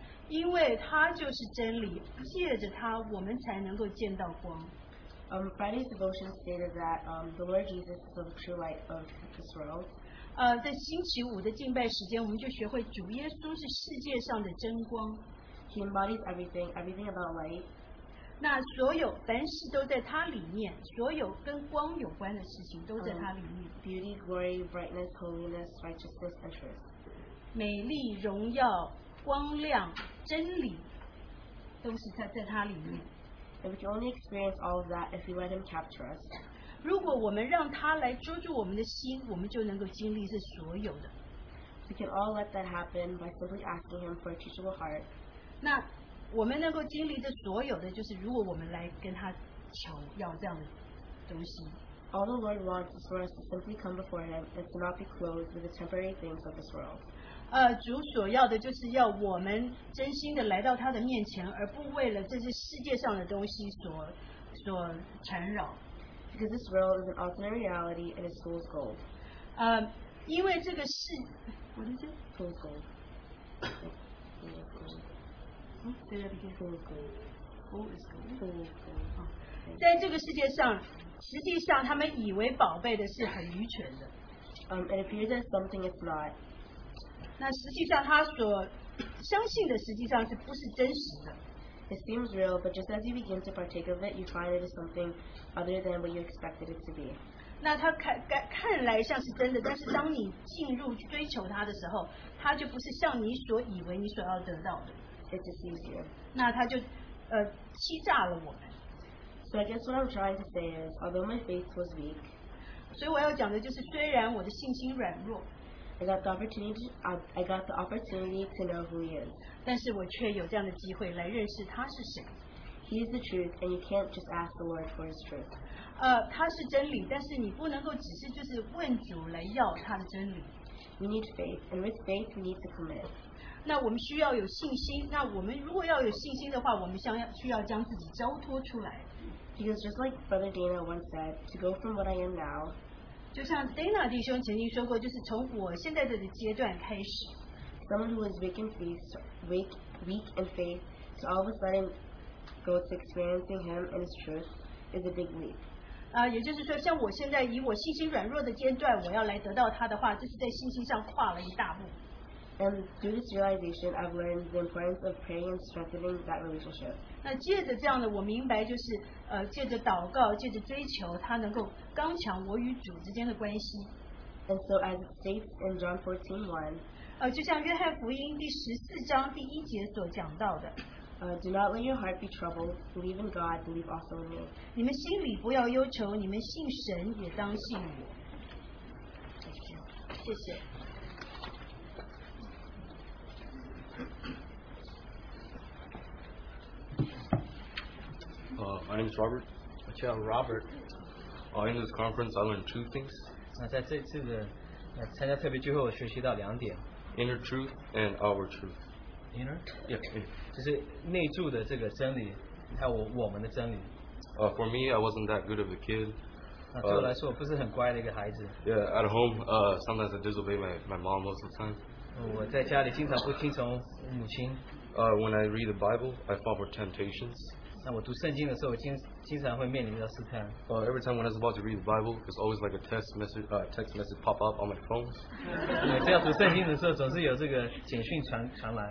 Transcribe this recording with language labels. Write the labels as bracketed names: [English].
[Chinese] 因为他就是真理，借着他我们才能够见到光。 [English] Friday's devotion stated that the Lord Jesus is the true light of this world. [Chinese] 在星期五的敬拜时间，我们就学会主耶稣是世界上的真光。 [English] He embodies everything, everything about light. [Chinese] 那所有凡事都在他里面，所有跟光有关的事情都在他里面。 [English] Beauty, glory, brightness, holiness, righteousness, and truth. [Chinese] 美丽、荣耀、光亮、真理，都是在他里面。 [English] And we can only experience all of that if we let Him capture us. [Chinese] 如果我们让他来捉住我们的心，我们就能够经历这所有的。 [English] We can all let that happen by simply asking Him for a teachable heart. [Chinese] 那我们能够经历这所有的，就是如果我们来跟他求要这样的东西。 [English] All the Lord wants is for us to simply come before Him and to not be clothed with the temporary things of this world. [Chinese] 主所要的就是要我们真心的来到他的面前，而不为了这些世界上的东西所缠绕。 [English] Because this world is an alternate reality and it's fool's gold. [Chinese] 因为这个是 [English] What is it? Fool's gold. Say that again. Fool's gold. Fool is gold. Fool is gold. [Chinese] 在这个世界上，实际上他们以为宝贝的是很愚蠢的。 [English] It appears that something is not. [Chinese] 那实际上他所相信的实际上是不是真实的。 [English] It seems real, but just as you begin to partake of it, you find it is something other than what you expected it to be. [Chinese] 那他 看来像是真的，但是当你进入追求他的时候，他就不是像你所以为你所要得到的。 [English] It deceives you. [Chinese] 那他就欺诈了我。 [English] So I guess what I'm trying to say is, although my faith was weak, [Chinese] 所以我要讲的就是，虽然我的信心软弱， [English] I got the opportunity to know who He is. [Chinese] 但是我却有这样的机会来认识他是谁。 [English] He is the truth, and you can't just ask the Lord for His truth. [Chinese] 他是真理，但是你不能够只是就是问主来要他的真理。 [English] We need faith, and with faith, we need to commit. [Chinese] 那我们需要有信心。那我们如果要有信心的话，我们需要将自己交托出来。 [English] Because just like Brother Dana once said, to go from what I am now, [Chinese] 就像 Dana 弟兄曾经说过，就是从我现在的阶段开始。 [English] Someone who is weak in faith, to all of a sudden go to experiencing Him and His truth is a big leap. [Chinese] 也就是说，像我现在以我信心软弱的阶段，我要来得到他的话，就是在信心上跨了一大步。 [English] And through this realization, I've learned the importance of praying and strengthening that relationship. [Chinese] 那借着这样的，我明白就是，借着祷告，借着追求，它能够刚强我与主之间的关系。 [English] And so as it states in John 14:1, [Chinese] 就像约翰福音第十四章第一节所讲到的, [English] do not let your heart be troubled, believe in God, believe also in me. [Chinese] 你们心里不要忧愁, 你们信神也当信我。 [English] Thank you. [Chinese] 谢谢。 [English] My name is Robert. What's your name, Robert? In this conference, I learned two things. [Chinese] 那在这次的参加特别聚会，我学习到两点。 [English] Inner truth and our truth. Inner? Yeah. [Chinese] 就是内住的这个真理，还有我们的真理。 [English] For me, I wasn't that good of a kid. [Chinese] 对我来说，我不是很乖的一个孩子。 [English] Yeah, at home, sometimes I disobey my mom most of the time. [Chinese] 我在家里经常不听从母亲。 [English] When I read the Bible, I fall for temptations. [Chinese] 那我读圣经的时候，经常会面临到试探。 [English] Every time when I was about to read the Bible, there's always like a text message pop up on my phone. [Chinese] 每次要读圣经的时候，总是有这个简讯传来。